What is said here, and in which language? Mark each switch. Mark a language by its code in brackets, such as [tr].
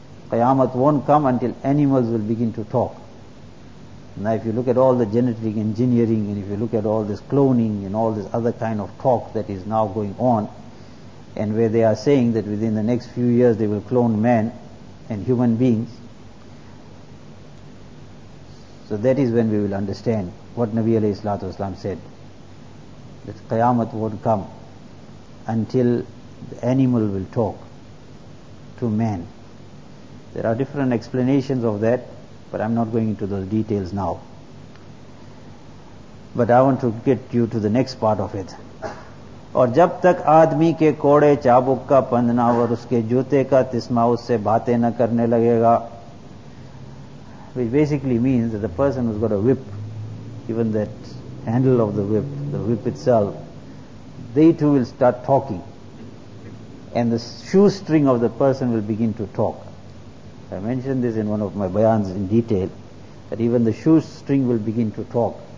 [en] Qiyamah won't come until animals will begin to talk. Now if you look at all the genetic engineering, and if you look at all this cloning and all this other kind of talk that is now going on, and where they are saying that within the next few years they will clone man and human beings, so that is when we will understand what Nabi alayhi salatu wasalam said, that Qiyamah won't come until the animal will talk to man. There are different explanations of that, but I'm not going into those details now. But I want to get you to the next part of it. [ur] اور جب تک آدمی کے کوڑے چابک کا پندنا اور اس کے جوتے کا تسمہ اس سے باتیں نہ کرنے لگے گا. [en] Which basically means that the person who's got a whip, even that handle of the whip itself, they too will start talking. And the shoestring of the person will begin to talk. I mentioned this in one of my bayans in detail, that even the shoestring will begin to talk.